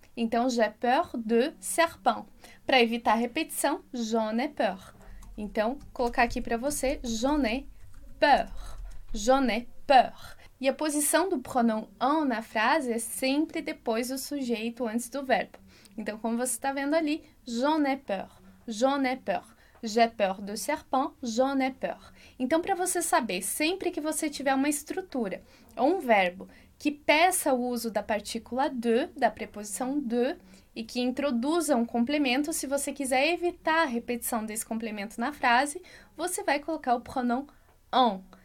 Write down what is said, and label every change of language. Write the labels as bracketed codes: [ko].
[fr] Então, j'ai peur de serpent. [pt] Para evitar a repetição, [fr] j'en ai peur. [pt] Então, colocar aqui para você, [fr] j'en ai peur. J'en ai peur. [pt] E a posição do pronom en na frase é sempre depois do sujeito, antes do verbo. Então, como você está vendo ali, [fr] j'en ai peur. J'en ai peur. J'ai peur de serpent, j'en ai peur. [pt] Então, para você saber, sempre que você tiver uma estrutura ou um verbo que peça o uso da partícula de, da preposição de, e que introduza um complemento, se você quiser evitar a repetição desse complemento na frase, você vai colocar o pronom en.